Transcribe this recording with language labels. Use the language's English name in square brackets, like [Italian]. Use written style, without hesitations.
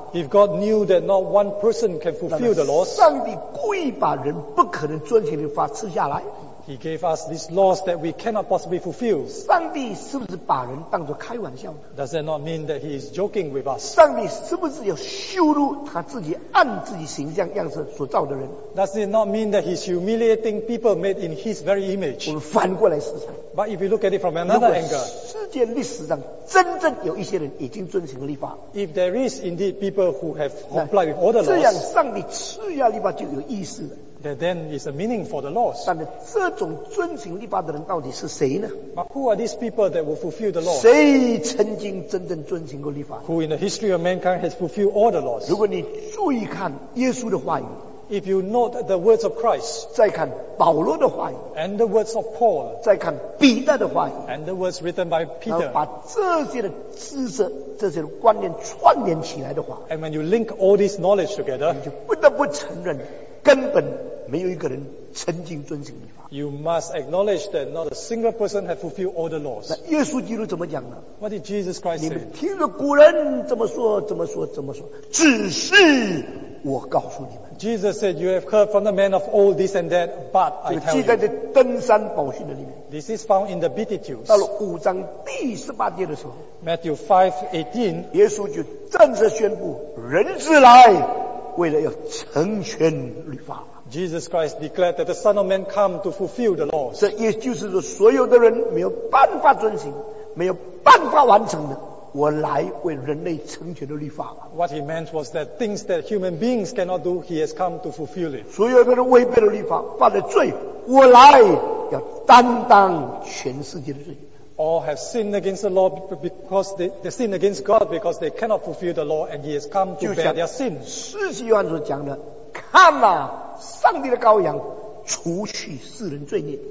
[English] If God knew that not one person can fulfill the laws, [Chinese] 上帝故意把人不可能遵循律法赐下来。 [English] He gave us these laws that we cannot possibly fulfill. [Chinese] 上帝是不是把人当作开玩笑呢？ [English] Does that not mean that he is joking with us? [Chinese] 上帝是不是要羞辱他自己按自己形象样式所造的人？ [English] Does it not mean that he's humiliating people made in his very image? [Chinese] 我们反过来思想。 [English] But if you look at it from another angle, [Chinese] 如果世界历史上真正有一些人已经遵循了律法， [English] If there is indeed people who have complied with all the laws, [Chinese] 这样上帝赐下律法就有意思了。 [English] That then is a meaning for the laws. [Chinese] 但是这种遵循律法的人到底是谁呢？ [English] But who are these people that will fulfill the law? [Chinese] 谁曾经真正遵循过律法？ [English] Who in the history of mankind has fulfilled all the laws? [Chinese] 如果你注意看耶稣的话语， [English] If you note the words of Christ, [Chinese] 再看保罗的话语， [English] And the words of Paul, [Chinese] 再看彼得的话语， [English] And the words written by Peter, [Chinese] 然后把这些的知识这些的观念串联起来的话， [English] And when you link all this knowledge together, [Chinese] 你就不得不承认根本没有一个人曾经遵循律法。 [English] You must acknowledge that not a single person has fulfilled all the laws. [Chinese] 那耶稣基督怎么讲呢？ [English] What did Jesus Christ say? [Chinese] 你们听了古人怎么说，怎么说，怎么说？只是我告诉你们。 [English] Jesus said, "You have heard from the man of old this and that, but I tell you." [Chinese] 记载在登山宝训的里面。 [English] This is found in the Beatitudes. [Chinese] 到了五章第十八节的时候 [English] ，Matthew 5:18， [Chinese] 耶稣就正式宣布，人子来为了要成全律法。 [English] Jesus Christ declared that the Son of Man came to fulfill the laws. [Chinese] 这也就是说，所有的人没有办法遵行，没有办法完成的，我来为人类成全的律法。 [English] What he meant was that things that human beings cannot do, he has come to fulfill it. [Chinese] 所有的人违背了律法，犯了罪，我来要担当全世界的罪。 [English] All have sinned against the law because they sin against God because they cannot fulfill the law, and he has come to bear their sins. [Chinese] 使徒约翰所讲的，看啊，上帝的羔羊，除去世人罪孽。